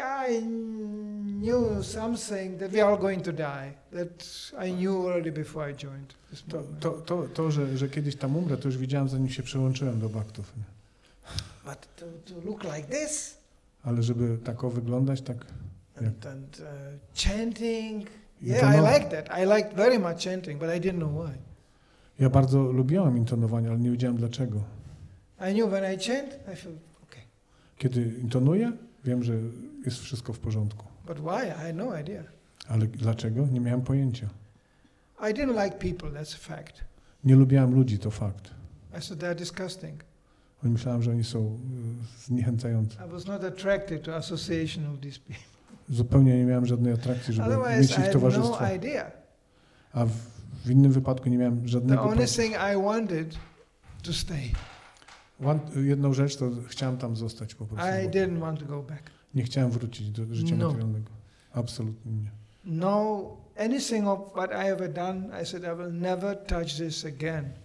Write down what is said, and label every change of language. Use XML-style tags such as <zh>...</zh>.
<en>I knew something that we are going to die. That I knew already before I joined this movement.</en> <pl>To, że kiedyś tam umrę, to już widziałem, zanim się przyłączyłem do baktów.</pl> <en>But to look like this.</en> <pl>Ale żeby tak wyglądać, tak.</pl> <en>And chanting. Yeah, I like that. I liked very much chanting, but I didn't know why.</en> <pl>Ja bardzo lubiłem intonowanie, ale nie wiedziałem dlaczego.</pl> <en>I knew when I chant, I feel.</en> <pl>Kiedy intonuję, wiem, że jest wszystko w porządku.</pl> <en>But why? I had no idea.</en> <pl>Ale dlaczego? Nie miałem pojęcia.</pl> <en>I didn't like people, that's a fact.</en> <pl>Nie lubiłem ludzi, to fakt.</pl> <en>I said they're disgusting.</en> <pl>Myślałem, że oni są zniechęcający.</pl> <en>I was not attracted to association of these people.</en> <pl>Zupełnie nie miałem żadnej atrakcji, żeby mieć ich towarzystwo.</pl> <en>Otherwise, I had no idea.</en> <pl>A w innym wypadku nie miałem żadnego pojęcia.</pl> <en>The only thing I wanted to stay.</en> <pl>Jedną rzecz, to chciałem tam zostać po prostu.</pl> <en>I didn't want to go back.</en> <pl>Nie chciałem wrócić do życia materialnego. Absolutnie nie.</pl> <en>No, anything of what I ever done, I said I will never touch this again.</en>